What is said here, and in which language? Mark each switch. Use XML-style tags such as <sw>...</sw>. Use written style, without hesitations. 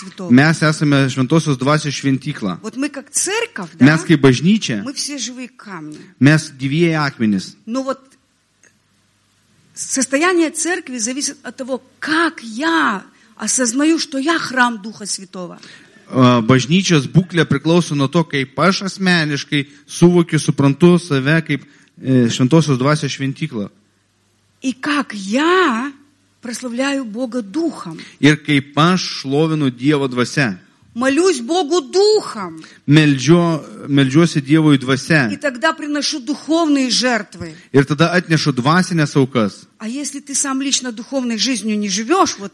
<lt>Mes esame Šventosios Dvasios šventykla.</lt> <ru>Вот мы как церковь,</ru> <lt>да? Mes kaip bažnyčia.</lt> <ru>Мы все живые камни.</ru> <lt>Mes gyvieji akmenys.</lt> <ru>Но вот состояние церкви зависит от того, как я осознаю, что я храм Духа Святого.</ru> <lt>Bažnyčios būklė priklauso nuo to, kaip aš asmeniškai suvokiu, suprantu save kaip Šventosios Dvasios šventykla.</lt> <ru>И как я прославляю Бога духом.</ru> <lt>Ir kaip aš šlovinu Dievo dvasia.</lt> <ru>Молюсь Богу духом.</ru> <lt>Meldžiuosi Dievui dvasia.</lt> <ru>И тогда приношу духовные жертвы.</ru> <lt>Ir tada atnešu dvasines aukas.</lt> <ru>А если ты сам лично духовной жизнью не живешь, вот</ru>